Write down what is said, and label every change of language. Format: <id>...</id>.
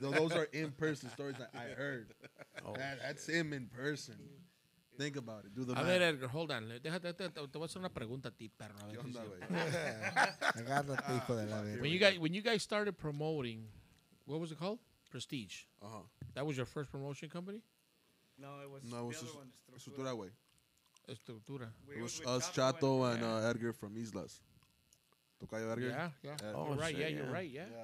<en>Those are in-person stories that I heard. Oh, that's him in person. Think about it. Do the math.</en> <es>A ver,</es> <en>Edgar, hold on.</en> <es>Te voy a hacer una pregunta a ti, perro.</es> <en>When you guys started promoting, what was it called? Prestige. Uh-huh. That was your first promotion company? No, it was the other one.</en> <es>Estructura, güey. Estructura.</es> <en>It was us, Chato, and Edgar from Islas. Tocayo Edgar? Yeah. Oh, you're right. Yeah, you're right. Yeah.</en>